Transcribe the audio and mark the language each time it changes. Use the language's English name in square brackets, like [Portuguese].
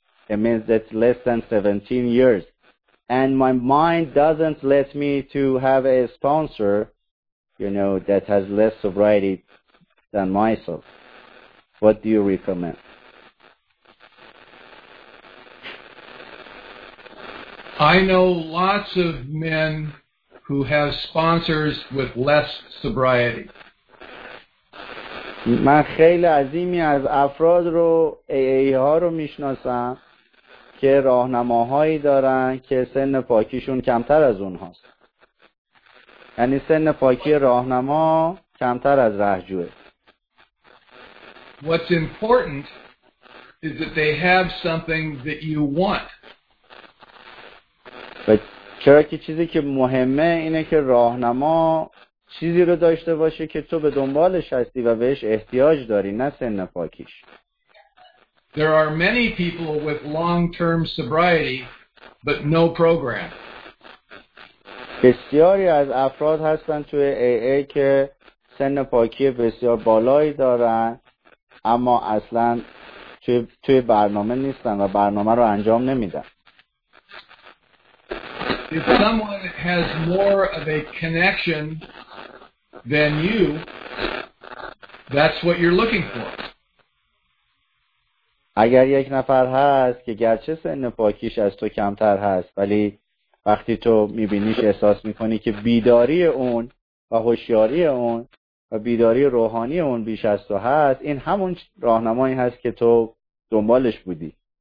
[English] It means that's less than 17 years. And my mind doesn't let me to have a sponsor, that has less sobriety than myself. What do you recommend? I know lots of men who have sponsors with less sobriety. [Persian] من خیلی عظیمی از افراد رو ها رو میشناسم که راهنماهایی دارن که سن پاکیشون کمتر از اونهاست. یعنی سن پاکی راهنما کمتر از رهجوه. [English] What's important is that they have something that you want. [Persian] چرا که چیزی که مهمه اینه که راهنما چیزی رو داشته باشه که تو به دنبالش هستی و بهش احتیاج داری نه سن پاکیش. [English] There are many people with long-term sobriety but no program. [Persian] بسیاری از افراد هستن توی AA که سن پاکی بسیار بالایی دارن اما اصلا توی برنامه نیستن و برنامه رو انجام نمیدن. [English] If someone has more of a connection than you, that's what you're looking for. [Persian] اگر یک نفر هست که گرچه سن پاکیش از تو کمتر هست ولی وقتی تو میبینیش احساس میکنی که بیداری اون و هوشیاری اون و بیداری روحانی اون بیش از تو هست این همون راهنمایی هست که تو دنبالش بودی.